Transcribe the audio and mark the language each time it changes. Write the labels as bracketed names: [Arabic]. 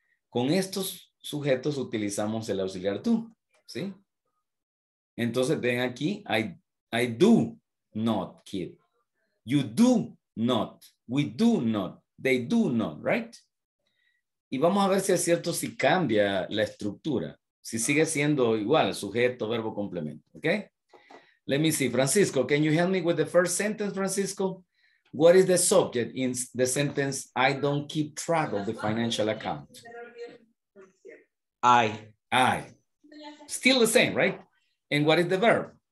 [Spanish] Con estos sujetos utilizamos el auxiliar tú, ¿sí? [English] Entonces, ven aquí, I do not, kid. You do not, we do not, they do not, right? [Spanish] Y vamos a ver si es cierto si cambia la estructura, si sigue siendo igual, sujeto, verbo, complemento, ¿ok? [English] Let me see, Francisco, can you help me with the first sentence, Francisco? What is the subject in the sentence, I don't keep track of the financial account? I. Still the same, right? And what is the verb?